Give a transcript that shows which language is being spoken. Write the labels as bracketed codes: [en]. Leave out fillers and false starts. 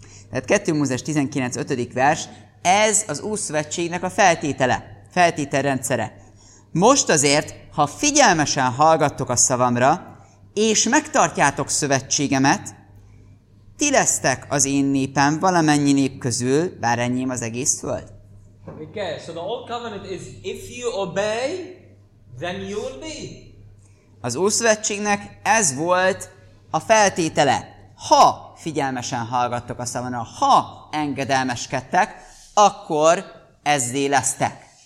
[hu] Tehát 2 Mózes, 19, 5. vers, ez az Ószövetségnek a feltétele, feltételrendszere. Most azért, ha figyelmesen hallgattok a szavamra, és megtartjátok szövetségemet, ti lesztek az én népem valamennyi nép közül, bár enyém az egész föld. [en] Okay, so the old covenant is if you obey, then you will be. [hu] Az Ószövetségnek ez volt a feltétele. Ha figyelmesen hallgattok a szavamra, ha engedelmeskedtek, akkor ezzé lesztek.